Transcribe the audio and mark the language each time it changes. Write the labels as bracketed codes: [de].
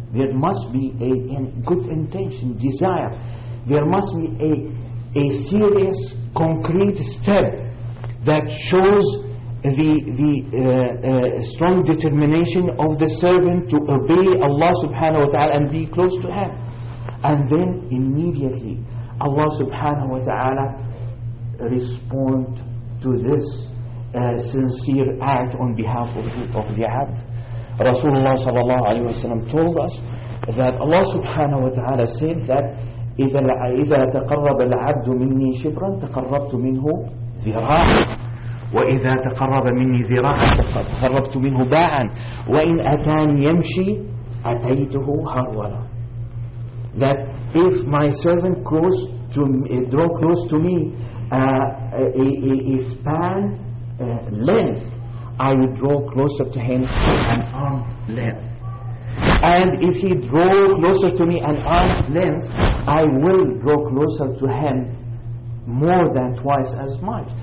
[en] There must be a good intention, desire. There must be a serious, concrete step that shows the strong determination of the servant to obey Allah subhanahu wa ta'ala and be close to Him. And then immediately Allah subhanahu wa ta'ala respond to this sincere act on behalf of the abd. Rasulullah sallallahu alayhi wa sallam told us that Allah subhanahu wa ta'ala said that [ar] إذا تقرب العبد مني شبرا تقربت منه ذراعا وإذا تقرب مني ذراعا تقربت منه باعا وإن أتاني يمشي أتيته هرولا. [en] That if my servant draw close to me a span length, I would draw closer to him an arm length. And if he draw closer to me an arm length, I will draw closer to him more than twice as much.